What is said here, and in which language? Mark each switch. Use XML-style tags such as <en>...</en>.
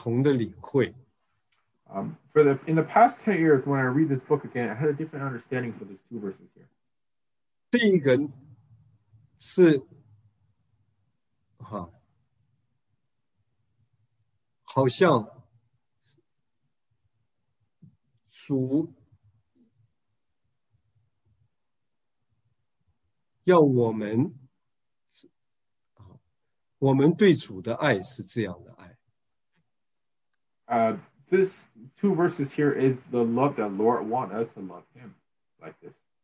<zh>但是过去这大概十年中，我在思想雅各书啊，第六、第七节啊，我开始有不同的领会。</zh> <en>For the in the past 10 years, when I read this book again, I had a different understanding for these two verses here.</en> <zh>第一个是，好像主。要我们，我们对主的爱是这样的爱。</zh> <en>This two verses here is the love that Lord wants us to love Him like this.</en>